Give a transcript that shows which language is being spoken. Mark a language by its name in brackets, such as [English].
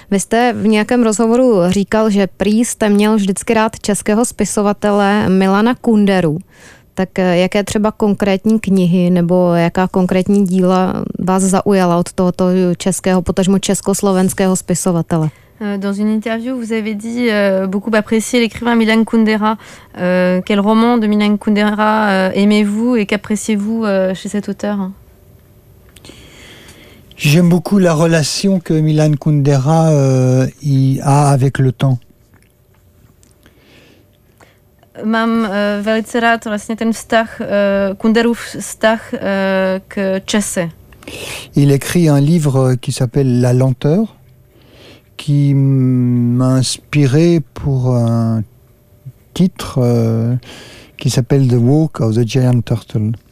[Czech] Vy jste v nějakém rozhovoru říkal, že prý jste měl vždycky rád českého spisovatele Milana Kunderu. Tak jaké třeba konkrétní knihy nebo jaká konkrétní díla vás zaujala od tohoto českého, potažmo československého spisovatele? [French] Dans une interview, vous avez dit beaucoup apprécier l'écrivain Milan Kundera. Quel roman de Milan Kundera aimez-vous et qu'appréciez-vous chez cet auteur? J'aime beaucoup la relation que Milan Kundera a avec le temps. [Czech] Mám velice rád vlastně ten vztah Kunderův vztah k čase. [French] Il écrit un livre qui s'appelle La lenteur qui m'a inspiré pour un titre qui s'appelle The Walk of the Giant Turtle.